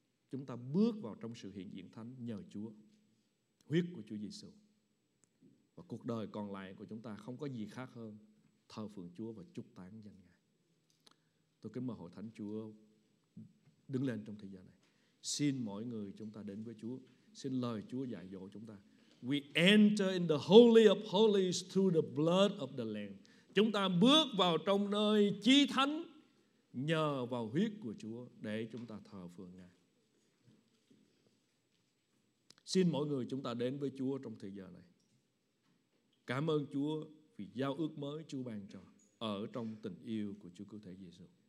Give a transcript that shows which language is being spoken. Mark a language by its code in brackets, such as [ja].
[vi] Chúng ta bước vào trong sự hiện diện thánh nhờ Chúa, huyết của Chúa Giê-xu. Và cuộc đời còn lại của chúng ta không có gì khác hơn thờ phượng Chúa và chúc tán danh Ngài. Tôi kính mời hội thánh Chúa đứng lên trong thời gian này. Xin mọi người chúng ta đến với Chúa, xin lời Chúa dạy dỗ chúng ta. [en] We enter in the Holy of Holies through the blood of the Lamb. [vi] Chúng ta bước vào trong nơi chí thánh nhờ vào huyết của Chúa để chúng ta thờ phượng Ngài. Xin mọi người chúng ta đến với Chúa trong thời giờ này. Cảm ơn Chúa vì giao ước mới Chúa ban cho ở trong tình yêu của Chúa Cứu Thế Giê-xu.